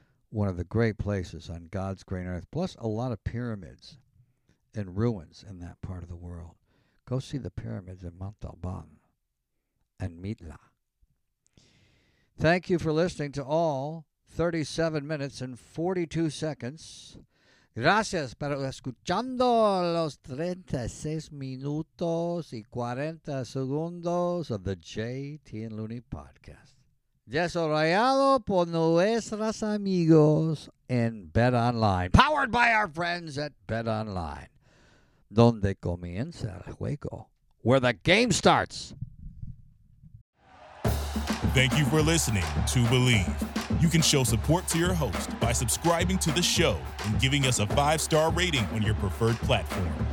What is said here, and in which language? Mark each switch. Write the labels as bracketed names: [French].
[English] One of the great places on God's green earth, plus a lot of pyramids and ruins in that part of the world. Go see the pyramids in Montalban and Mitla. Thank you for listening to all 37 minutes and 42 seconds. [Spanish] Gracias para escuchando los 36 minutos y 40 segundos [English] of the JT and Looney podcast. [Spanish] Desarrollado por nuestros amigos en Bet Online. [English] Powered by our friends at Bet Online. [Spanish] Donde comienza el juego. [English] Where the game starts. Thank you for listening to Believe. You can show support to your host by subscribing to the show and giving us a 5-star rating on your preferred platform.